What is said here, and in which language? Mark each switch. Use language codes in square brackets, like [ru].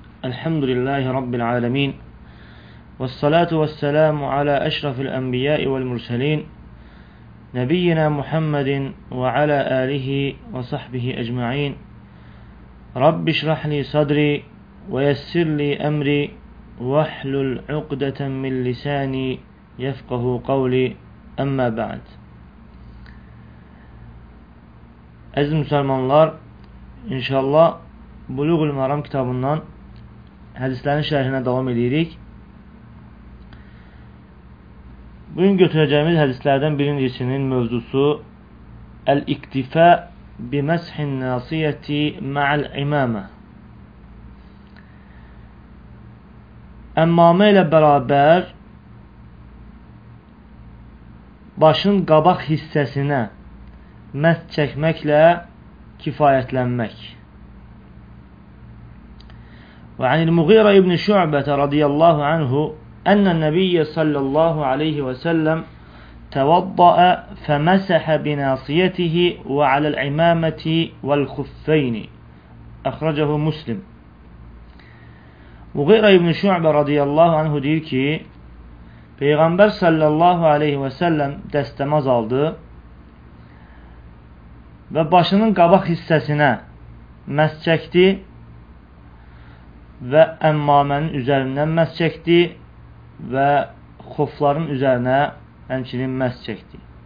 [ar] الحمد لله رب العالمين، والصلاة والسلام على أشرف الأنبياء والمرسلين، نبينا محمد وعلى آله وصحبه أجمعين. رب اشرح لي صدري ويسر لي أمري واحلل عقدة من لساني يفقه قولي. أما بعد، أعز المسلمين، إن شاء الله [az] Bulugul Maram kitabından hədislərin şərhinə davam edirik. Bugün götürəcəyimiz hədislərdən birincisinin mövzusu Əl-iqtifə biməshin nasiyyəti ma'al imamə. Əmmamə ilə bərabər başın qabaq hissəsinə məs çəkməklə kifayətlənmək. [ar] وعن المغيرة بن شعبة رضي الله عنه أن النبي صلى الله عليه وسلم توضأ فمسح بناصيته وعلى العمامة والخفين، أخرجه مسلم. [az] مغيرة بن شعبة رضي الله عنه diyor ki Peygamber صلى الله عليه وسلم دستمز aldı ve başının kabak hissesine mes çekti və əmmamənin üzərindən məs çəkdi və xofların üzərinə həmçinin məs çəkdi.